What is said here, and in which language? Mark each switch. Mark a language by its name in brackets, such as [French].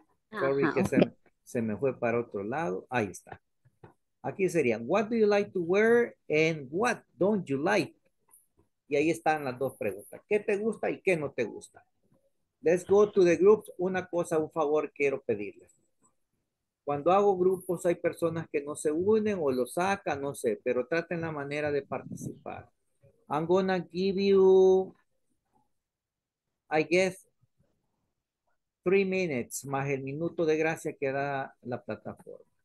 [Spanish] Sorry, que se me fue para otro lado. Ahí está. Aquí sería, [English] what do you like to wear and what don't you like? [Spanish] Y ahí están las dos preguntas. ¿Qué te gusta y qué no te gusta? [English] Let's go to the groups. [Spanish] Una cosa, un favor, quiero pedirles. Cuando hago grupos, hay personas que no se unen o lo sacan, no sé. Pero traten la manera de participar. [English] I'm gonna give you, I guess, 3 minutes, [Spanish] más el minuto de gracia que da la plataforma.